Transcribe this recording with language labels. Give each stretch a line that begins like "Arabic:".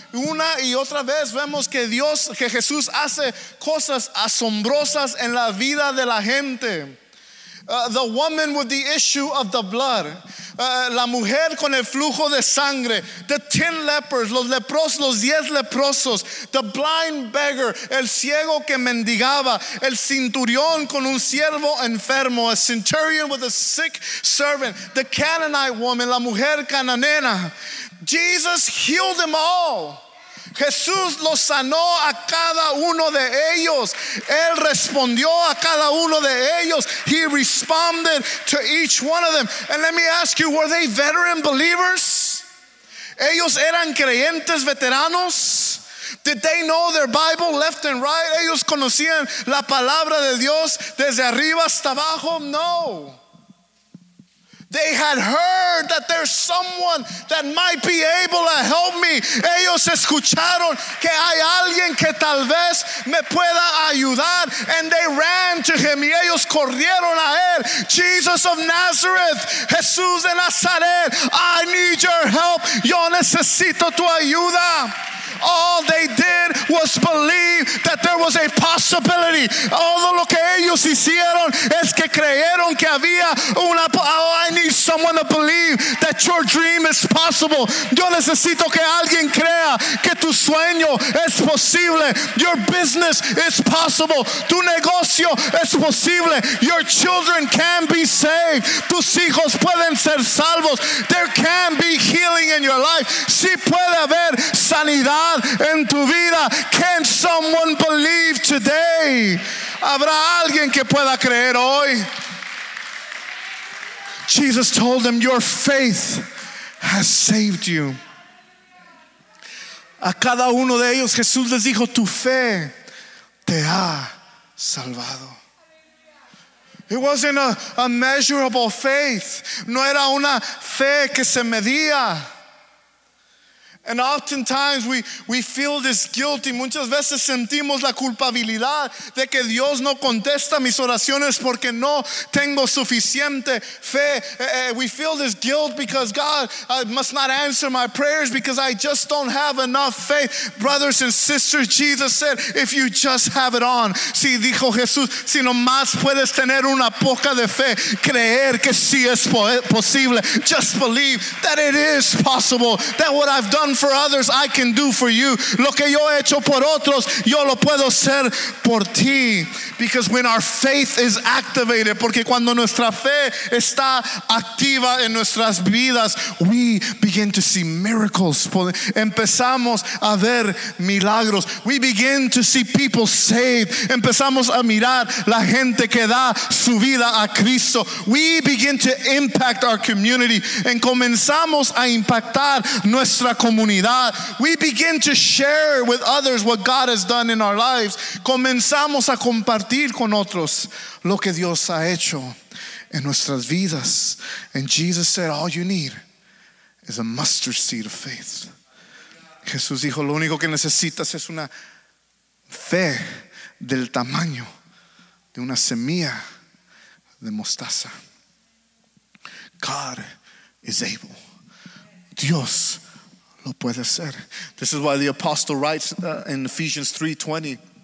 Spanish: Una y otra vez vemos que Dios, que Jesús hace cosas asombrosas en la vida de la gente.
English: The woman with the issue of the blood.
Spanish: La mujer con el flujo de sangre.
English: The 10 lepers,
Spanish: los leprosos, los 10 leprosos.
English: The blind beggar,
Spanish: el ciego que mendigaba. El centurión con un siervo enfermo.
English: A centurion with a sick servant. The Canaanite woman,
Spanish: la mujer cananea.
English: Jesus healed them all.
Spanish: Jesús los sanó a cada uno de ellos. Él respondió a cada uno de ellos.
English: He responded to each one of them. And let me ask you, were they veteran believers?
Spanish: ¿Ellos eran creyentes veteranos?
English: Did they know their Bible left and right?
Spanish: ¿Ellos conocían la palabra de Dios desde arriba hasta abajo? No.
English: They had heard that there's someone that might be able to help me.
Spanish: Ellos escucharon que hay alguien que tal vez me pueda ayudar.
English: And they ran to him.
Spanish: Y ellos corrieron a él.
English: Jesus of Nazareth. Jesús de Nazaret. I need your help.
Spanish: Yo necesito tu ayuda.
English: All they did was believe that there was a possibility.
Spanish: Todo lo que ellos hicieron es que creyeron que había una.
English: Oh, I need someone to believe that your dream is possible.
Spanish: Yo necesito que alguien crea que tu sueño es posible.
English: Your business is possible.
Spanish: Tu negocio es posible.
English: Your children can be saved.
Spanish: Tus hijos pueden ser salvos.
English: There can be healing in your life.
Spanish: Sí puede haber sanidad en tu vida.
English: Can someone believe today?
Spanish: ¿Habrá alguien que pueda creer hoy?
English: Jesus told them, your faith has saved you.
Spanish: A cada uno de ellos Jesús les dijo, tu fe te ha salvado.
English: It wasn't a measurable faith.
Spanish: No era una fe que se medía.
English: And oftentimes we feel this guilty.
Spanish: Muchas veces sentimos la culpabilidad de que Dios no contesta mis oraciones porque no tengo suficiente fe.
English: We feel this guilt because God must not answer my prayers because I just don't have enough faith. Brothers and sisters, Jesus said, if you just have it on.
Spanish: Sí, dijo Jesús, si nomás puedes tener una poca de fe, creer que sí es posible.
English: Just believe that it is possible, that what I've done for others, I can do for you.
Spanish: Lo que yo he hecho por otros, yo lo puedo hacer por ti.
English: Because when our faith is activated,
Spanish: porque cuando nuestra fe está activa en nuestras vidas,
English: we begin to see miracles.
Spanish: Empezamos a ver milagros.
English: We begin to see people saved.
Spanish: Empezamos a mirar la gente que da su vida a Cristo.
English: We begin to impact our community.
Spanish: En comenzamos a impactar nuestra comunidad.
English: We begin to share with others what God has done in our lives.
Spanish: Comenzamos a compartir con otros lo que Dios ha hecho en nuestras vidas.
English: And Jesus said, all you need is a mustard seed of faith.
Spanish: Jesús dijo, lo único que necesitas es una fe del tamaño de una semilla de mostaza.
English: God is able.
Spanish: Dios lo puede hacer.
English: This is why the apostle writes in Ephesians 3:20,